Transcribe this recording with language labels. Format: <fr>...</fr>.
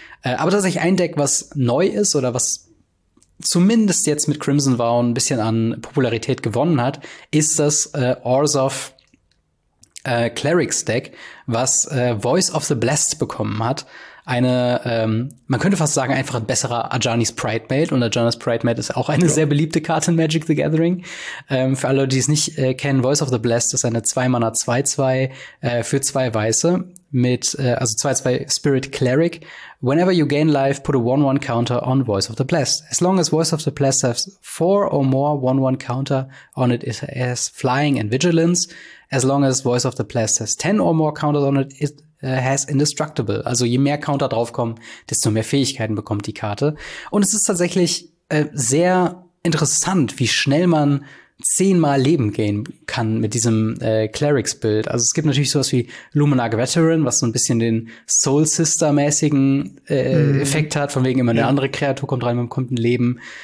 <de>Aber tatsächlich ein Deck, was neu ist oder was zumindest jetzt mit Crimson Vow ein bisschen an Popularität gewonnen hat, ist das Orzhov Clerics Deck, was Voice of the Blessed bekommen hat. Eine, man könnte fast sagen, einfach ein besserer Ajani's Pride Mate. Und Ajani's Pride Mate ist auch eine sehr beliebte Karte in Magic the Gathering. Für alle, die es nicht kennen, Voice of the Blessed ist eine 2-Mana 2-2 für zwei Weiße. Mit, also 2-2 Spirit Cleric.</de> <en>Whenever you gain life, put a 1-1 Counter on Voice of the Blessed. As long as Voice of the Blessed has 4 or more 1-1 Counter on it, it has Flying and Vigilance. As long as Voice of the Blessed has 10 or more Counters on it, it has Indestructible.</en> <de>Also je mehr Counter draufkommen, desto mehr Fähigkeiten bekommt die Karte. Und es ist tatsächlich sehr interessant, wie schnell man 10-mal Leben gehen kann mit diesem Clerics-Build. Also es gibt natürlich sowas wie Luminar Veteran, was so ein bisschen den Soul-Sister-mäßigen Effekt hat, von wegen immer eine andere Kreatur kommt rein, man bekommt ein Leben.</de>